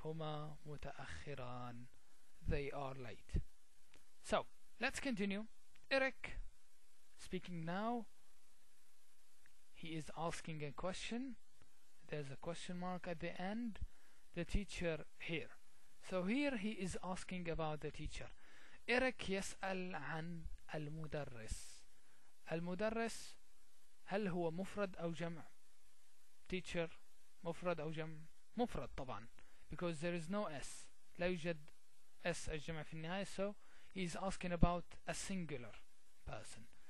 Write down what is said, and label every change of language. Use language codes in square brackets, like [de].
[ar] هما متأخران. [en] They are late. So let's continue. Eric speaking now. He is asking a question. There's a question mark at the end. The teacher here. So here he is asking about the teacher. [ar] Eric يسأل عن المدرس. المدرس هل هو مفرد أو جمع؟ Teacher مفرد أو جمع؟ مفرد طبعا, [en] because there is no [ar] S, لا يوجد S الجمع في النهاية. [en] So he is asking about a singular person.